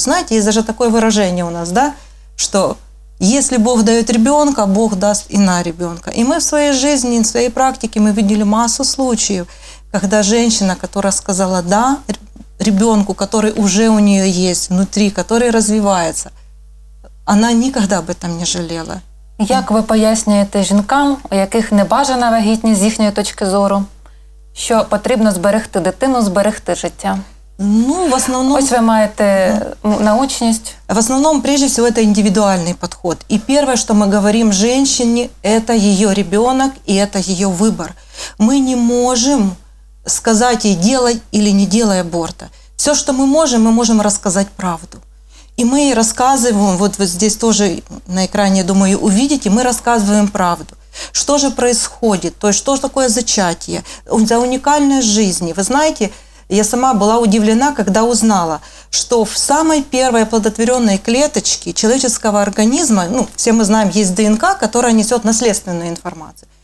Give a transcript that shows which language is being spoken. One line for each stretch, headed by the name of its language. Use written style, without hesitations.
Russian: Знаете, есть даже такое выражение у нас, да, что если Бог дает ребенка, Бог даст и на ребенка. И мы в своей жизни, в своей практике мы видели массу случаев, когда женщина, которая сказала «да» ребенку, который уже у нее есть внутри, который развивается,
Ukrainian: вона ніколи б там не жаліла. Як ви пояснюєте жінкам, у яких небажана вагітність з їхньої точки зору, що потрібно зберегти дитину, зберегти життя? Ну, в основному... Ось ви маєте научність. В основному,
Russian: прежде всего,
Ukrainian: це індивідуальний підход. І перше, що ми говоримо жінці, це її ребенок і це її вибір. Ми не можемо сказати їй,
Russian: делай или не делай аборта.
Ukrainian: Все, що ми можемо розказати правду.
Russian: И мы ей рассказываем, вот здесь тоже на экране, я думаю, увидите, мы рассказываем правду. Что же происходит, то есть что же такое зачатие, за уникальной жизни. Вы знаете, я сама была удивлена, когда узнала, что в самой первой оплодотворенной клеточке человеческого организма, ну, все мы знаем, есть ДНК, которая несет наследственную информацию.